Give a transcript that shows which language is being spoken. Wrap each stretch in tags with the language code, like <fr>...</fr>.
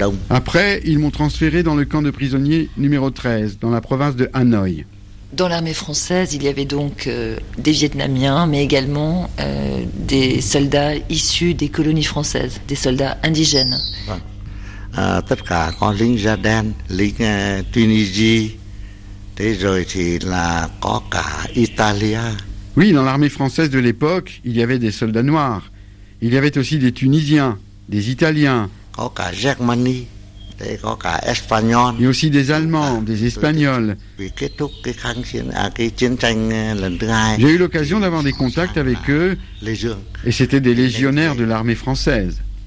<fr>Après, ils m'ont transféré dans le camp de prisonniers numéro 13, dans la province de Hanoï. Dans l'armée française, il y avait donc des Vietnamiens, mais également des soldats issus des colonies françaises, des soldats indigènes.</fr> <vi>Tất cả con lính da đen, lính Tunisie.</vi> <fr>Oui, dans l'armée française de l'époque, il y avait des soldats noirs. Il y avait aussi des Tunisiens, des Italiens. Mais aussi des Allemands, des Espagnols. J'ai eu l'occasion d'avoir des contacts avec eux, et c'était des légionnaires de l'armée française.</fr>